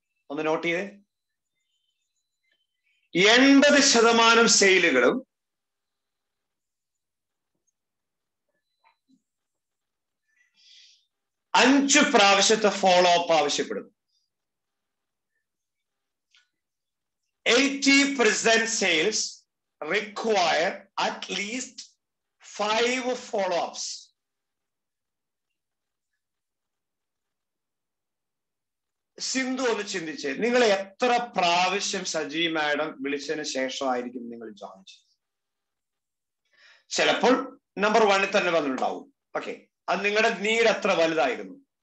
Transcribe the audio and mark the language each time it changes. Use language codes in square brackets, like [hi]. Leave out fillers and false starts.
[ml] ഒന്ന് നോട്ട് ചെയ്തേ, 80% സെയിലുകളും അഞ്ചു പ്രാവശ്യത്തെ ഫോളോ അപ്പ് ആവശ്യപ്പെടുന്നു. [en] 80% sales require at least 5 follow-ups. [ml] Sindhu ഒന്ന് ചിന്തിച്ച്, നിങ്ങൾ എത്ര പ്രാവശ്യം സജി മാഡം വിളിച്ചതിന് ശേഷമായിരിക്കും നിങ്ങൾ ജോയിൻ ചെയ്തത്? ചിലപ്പോൾ നമ്പർ 1 തന്നെ വന്നിട്ടുണ്ടാവും. ഓക്കെ, അത് നിങ്ങളുടെ നീഡ് എത്ര വലുതായിരുന്നു.